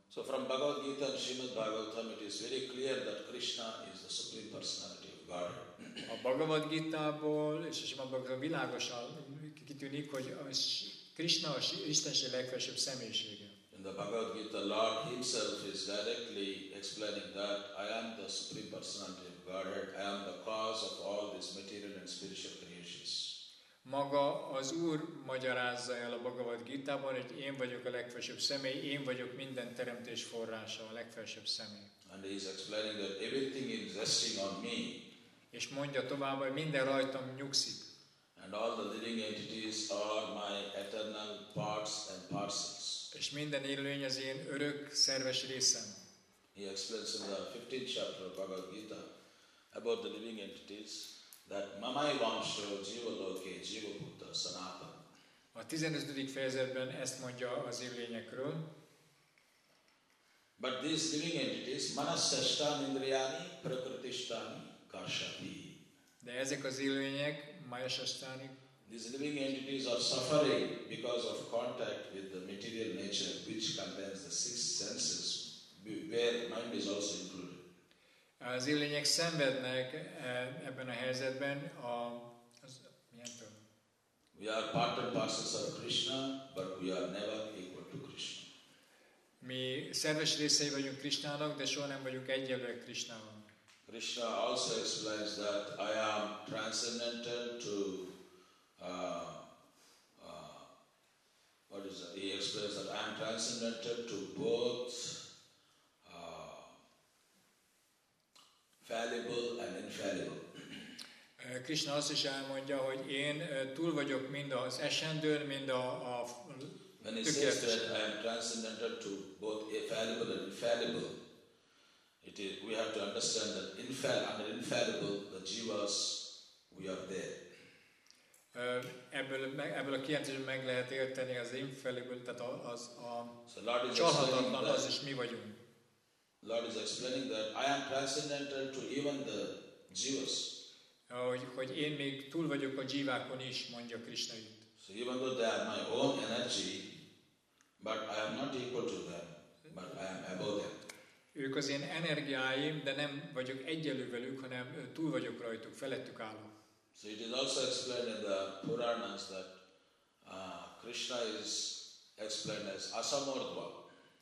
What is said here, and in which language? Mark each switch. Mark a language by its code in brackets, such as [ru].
[en] So from Bhagavad Gita and Srimad Bhagavatam, it is very clear that Krishna is the Supreme Personality of God. [hu] A Bhagavad Gita-ból és a Srimad Bhagavatam világosan kitűnik, hogy Krishna az Istenség legfelsőbb személyisége. [en] In the Bhagavad Gita, Lord Himself is directly explaining that I am the Supreme Personality of Godhead, I am the cause of all these material and spiritual creations. [hu] Maga az Úr magyarázza el a Bhagavad Gita-ban, hogy én vagyok a legfelsőbb személy, én vagyok minden teremtés forrása, a legfelsőbb személy. [en] And He is explaining that everything is resting on me. [hu] És mondja tovább, hogy minden rajtam nyugszik. [en] And all the living entities are my eternal parts and parcels. [hu] És minden élőlény az én örök szerves részem. [en] He explains in the 15th chapter of Bhagavad Gita about the living entities that [sa] mamai vamsho jiva loke jiva bhuta sanatan. [hu] A 15. fejezetben ezt mondja az élőlényekről. [en] But these living entities [sa] manas sastan indriyani prakritishtani kashati. [hu] De ezek az élőlények [sa] maya sastani [en] These living entities are suffering because of contact with the material nature which contains the six senses, where mind is also included. [hu] Az élények szenvednek ebben a helyzetben a [en] We are part and parcels of Krishna, but we are never equal to Krishna. [hu] Mi szerves részei vagyunk Krishnának, de soha nem vagyunk egyenlőek Krishnával. [en] Krishna also explains that I am transcendental to what is that? He explains that I am transcendental to both fallible and infallible. [hu] Krishna azt is elmondja, hogy én túl vagyok mind az esendőn, mind a [en] When he says that I am transcendental to both fallible and infallible, it is, we have to understand that infallible, the jivas, we are there. [hu] Ebből a kijelentésben meg lehet érteni az infallible, tehát az a [en] so [hu] csalhatatlan, az is mi vagyunk. [en] Lord is explaining that I am transcendental to even the jivas. [hu] Hogy én még túl vagyok a jívákon is, mondja Krishna itt. [en] So even though they are my own energy, but I am not equal to them, but I am above them. [hu] Ők az én energiáim, de nem vagyok egyenlő velük, hanem túl vagyok rajtuk, felettük állok. [en] So it is also explained in the Puranas that Krishna is explained as Asamardva.